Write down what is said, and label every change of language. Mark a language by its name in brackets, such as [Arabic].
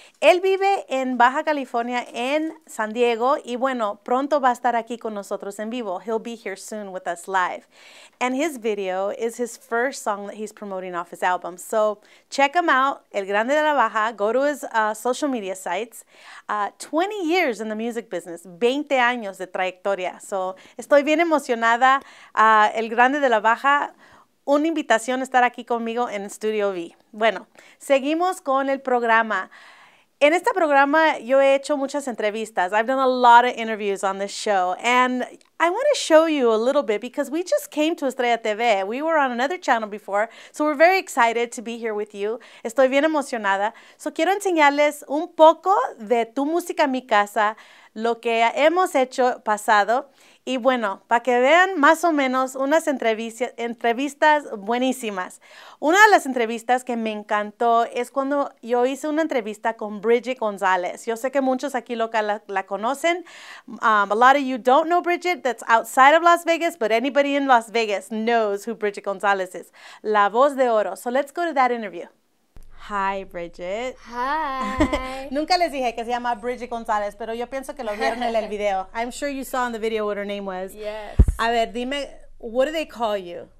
[Spanish] Él vive en Baja California, en San Diego, y bueno, pronto va a estar aquí con nosotros en vivo. [English] He'll be here soon with us live. And his video is his first song that he's promoting off his album. So check him out, El Grande de la Baja. Go to his social media sites. 20 years in the music business, [Spanish] 20 años de trayectoria. So estoy bien emocionada. El Grande de la Baja, una invitación a estar aquí conmigo en Studio V. Bueno, seguimos con el programa. En este programa yo he hecho muchas entrevistas. [English] I've done a lot of interviews on this show. And I want to show you a little bit because we just came to Estrella TV. We were on another channel before. So we're very excited to be here with you. [Spanish] Estoy bien emocionada. So quiero enseñarles un poco de Tu Música Mi Casa, lo que hemos hecho pasado. Y bueno, para que vean más o menos unas entrevistas buenísimas. Una de las entrevistas que me encantó es cuando yo hice una entrevista con Bridget González. Yo sé que muchos aquí local la conocen. [English] A lot of you don't know Bridget, that's outside of Las Vegas, but anybody in Las Vegas knows who Bridget González is. [Spanish] La voz de oro. [English] So let's go to that interview. Hi, Bridget. Hi. [Spanish] Nunca les dije que se llama Bridget González, pero yo pienso que lo vieron en el video. [English] I'm sure you saw in the video what her name was. Yes. [Spanish] A ver, dime, [English] what do they call you?